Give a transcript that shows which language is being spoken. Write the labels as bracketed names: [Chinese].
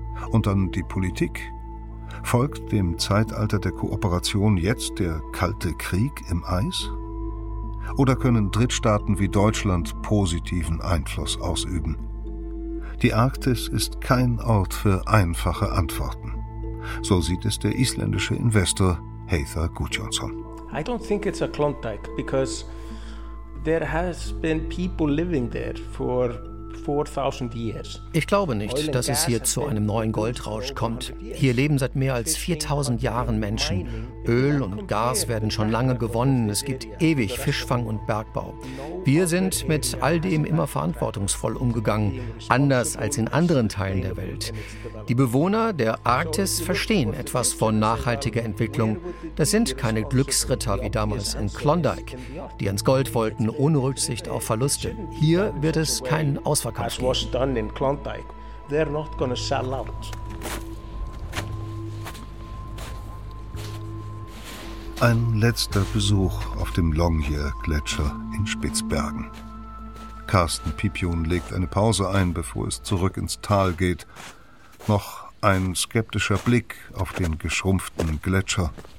[German] Und dann die Politik. Folgt dem Zeitalter der Kooperation jetzt der Kalte Krieg im Eis? Oder können Drittstaaten wie Deutschland positiven Einfluss ausüben? Die Arktis ist kein Ort für einfache Antworten. So sieht es der isländische Investor Heiðar Guðjónsson. [English] I don't think it's a Klondike because there has been people living there for 4000 years. [German] Ich glaube nicht, dass es hier zu einem neuen Goldrausch kommt. Hier leben seit mehr als 4000 Jahren Menschen. Öl und Gas werden schon lange gewonnen. Es gibt ewig Fischfang und Bergbau. Wir sind mit all dem immer verantwortungsvoll umgegangen, anders als in anderen Teilen der Welt. Die Bewohner der Arktis verstehen etwas von nachhaltiger Entwicklung. Das sind keine Glücksritter wie damals in Klondike, die ans Gold wollten, ohne Rücksicht auf Verluste. Hier wird es keinen Ausverkauf geben. [English] As was done in Klondike, they're not gonna sell out. [German] Ein letzter Besuch auf dem Longyear-Gletscher in Spitzbergen. Carsten Pipion legt eine Pause ein, bevor es zurück ins Tal geht. Noch ein skeptischer Blick auf den geschrumpften Gletscher.